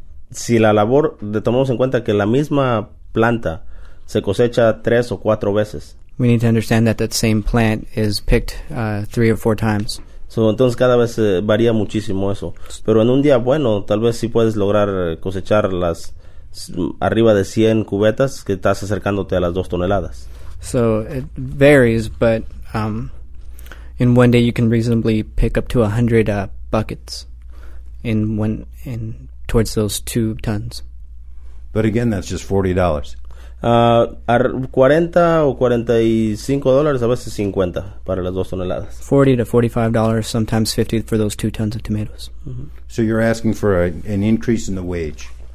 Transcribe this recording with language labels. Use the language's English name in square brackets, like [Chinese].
[Spanish] Si la labor, tomamos en cuenta que la misma planta se cosecha 3 o 4 veces. [English] We need to understand that same plant is picked 3 or 4 times. [Spanish] So, entonces cada vez varía muchísimo eso. Pero en un día bueno, tal vez sí puedes lograr cosechar las arriba de 100 cubetas que estás acercándote a las 2 toneladas. [English] So, it varies, but in one day you can reasonably pick up to 100 buckets in towards those 2 tons. But again, that's just $40. [Spanish] $40 or $45, a veces 50 para las 2 toneladas. [English] $40 to $45, sometimes 50 for those 2 tons of tomatoes. Mm-hmm. So you're asking for an increase in the wage.